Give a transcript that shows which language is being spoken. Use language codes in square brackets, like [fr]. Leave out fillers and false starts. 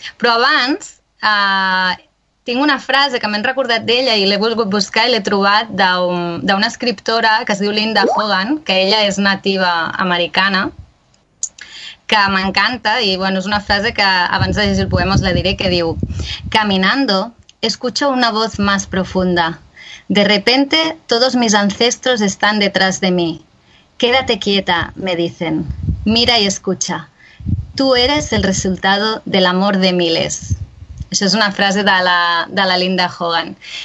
[ca] Però abans tinc una frase que m'he recordat d'ella i l'he volgut buscar i l'he trobat d'una escriptora que es diu Linda Hogan, que ella és nativa americana, que m'encanta, i bueno, és una frase que abans de llegir el poema us la diré, que diu: [es] caminando, escucho una voz más profunda. De repente, todos mis ancestros están detrás de mí. Quédate quieta, me dicen. Mira y escucha. Tú eres el resultado del amor de miles. [ca] Això és una frase de la Linda Hogan.